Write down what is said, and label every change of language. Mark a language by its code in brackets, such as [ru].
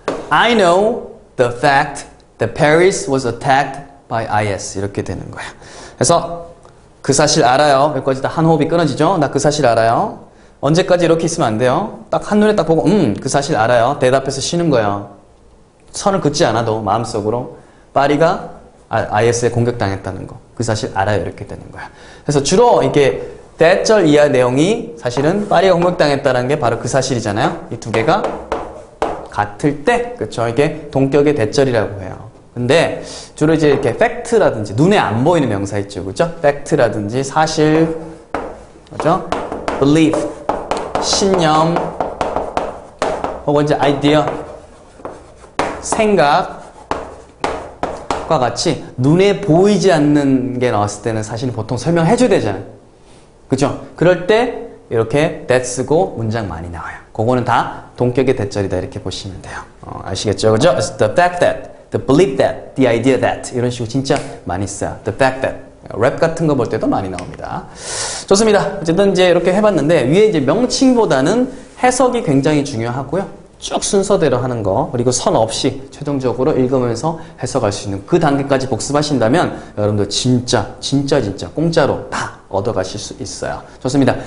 [en] I know the fact that Paris was attacked by IS. [ko] 이렇게 되는 거야. 그래서 그 사실 알아요. 여기까지 다 한 호흡이 끊어지죠? 나 그 사실 알아요. 언제까지 이렇게 있으면 안 돼요. 딱 한눈에 딱 보고 그 사실 알아요. 대답해서 쉬는 거예요. 선을 긋지 않아도 마음속으로 파리가 IS에 공격당했다는 거 그 사실 알아요. 이렇게 되는 거야. 그래서 주로 이게 대절 이하 내용이 사실은 파리가 공격당했다는 게 바로 그 사실이잖아요. 이 두 개가 같을 때 그쵸? 이게 동격의 대절이라고 해요. 근데 주로 이제 이렇게 팩트라든지 눈에 안 보이는 명사 있죠. 그죠? 팩트라든지 사실 그죠? belief 신념 혹은 이제 idea 생각과 같이 눈에 보이지 않는 게 나왔을 때는 사실은 보통 설명해 줘야 되잖아요. 그죠? 그럴 때 이렇게 that 쓰고 문장 많이 나와요. 그거는 다 동격의 대절이다 이렇게 보시면 돼요. 아시겠죠? 그죠? [en] It's the fact that, the belief that, the idea that [ko] 이런 식으로 진짜 많이 써요. [en] The fact that. [ko] 랩 같은 거 볼 때도 많이 나옵니다. 좋습니다. 어쨌든 이제 이렇게 해봤는데 위에 이제 명칭보다는 해석이 굉장히 중요하고요. 쭉 순서대로 하는 거, 그리고 선 없이 최종적으로 읽으면서 해석할 수 있는 그 단계까지 복습하신다면 여러분도 진짜 공짜로 다 얻어가실 수 있어요. 좋습니다.